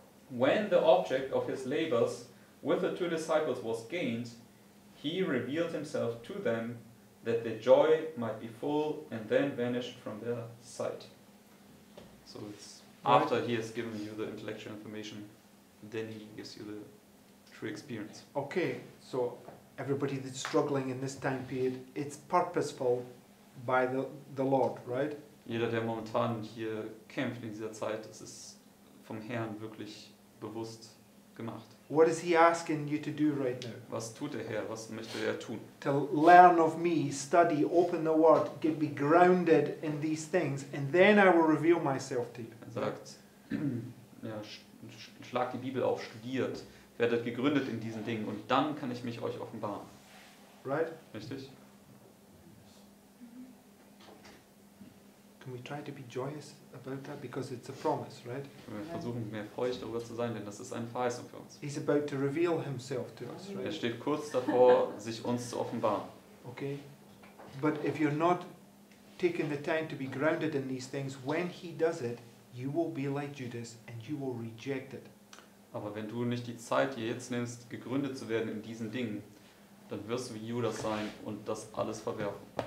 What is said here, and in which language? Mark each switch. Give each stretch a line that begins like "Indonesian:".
English: When the object of his labors with the two disciples was gained, he revealed himself to them, that their joy might be full and then vanished from their sight. So it's after he has given you the intellectual information, then he gives you the true experience. Okay, so everybody that's struggling in this time period, it's purposeful by the Lord, right?
German: Jeder, der momentan hier kämpft in dieser Zeit, das ist vom Herrn wirklich bewusst gemacht.
English: What is he asking you to do right now?
German: Was tut der Herr? Was möchte er tun?
English: To learn of me, study, open the word, get me grounded in these things, and then I will reveal myself to you.
German: Er sagt, ja, schlag die Bibel auf, studiert, werdet gegründet in diesen Dingen, und dann kann ich mich euch offenbaren.
English: Right?
German: Richtig?
English: Can we try to be joyous about that? Because it's a promise, right?
German: Wir versuchen, mehr freudig darüber zu sein, denn das ist eine Verheißung für uns.
English: He's about to reveal himself to us, right?
German: Er steht kurz davor, sich uns zu offenbaren.
English: Okay. But if you're not taking the time to be grounded in these things, when he does it, you will be like Judas and you will reject it.
German: Aber wenn du nicht die Zeit dir jetzt nimmst, gegründet zu werden in diesen Dingen, dann wirst du wie Judas sein und das alles verwerfen.